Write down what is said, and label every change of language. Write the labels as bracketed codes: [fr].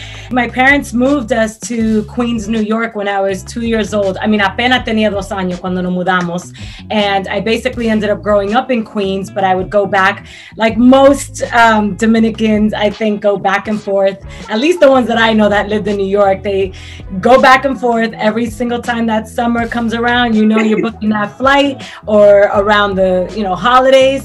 [en] My parents moved us to Queens, New York when I was 2 years old. I mean, [es] apenas tenía dos años cuando nos mudamos. [en] And I basically ended up growing up in Queens, but I would go back, like most Dominicans, I think, go back and forth. At least the ones that I know that lived in New York, they go back and forth every single time that summer comes around. You know, you're booking that flight or around the, you know, holidays.